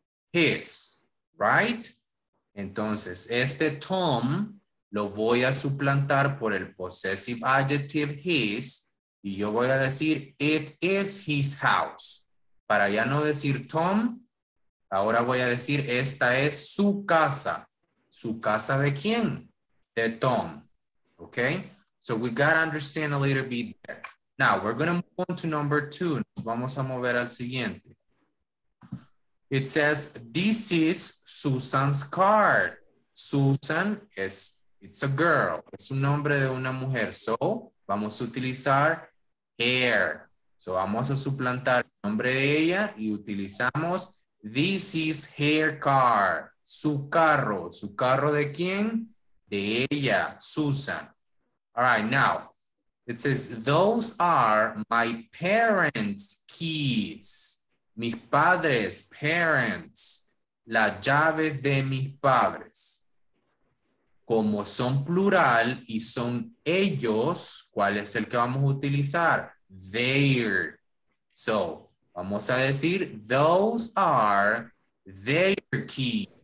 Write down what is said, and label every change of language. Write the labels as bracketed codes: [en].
[en] His, right? [es] Entonces, este Tom lo voy a suplantar por el possessive adjective his, y yo voy a decir, [en] it is his house. [es] Para ya no decir Tom, ahora voy a decir, esta es su casa. ¿Su casa de quién? De Tom. Okay? [en] So we gotta understand a little bit there. Now, we're going to move on to number two. [es] Nos vamos a mover al siguiente. [en] It says, this is Susan's car. Susan is, it's a girl. [es] Es un nombre de una mujer. So, vamos a utilizar her. So, vamos a suplantar el nombre de ella y utilizamos, [en] this is her car. [es] Su carro. ¿Su carro de quién? De ella, Susan. [en] All right, now. It says, those are my parents' keys. [es] Mis padres, parents, las llaves de mis padres. Como son plural y son ellos, ¿cuál es el que vamos a utilizar? [en] Their. [es] So, vamos a decir, [en] those are their keys.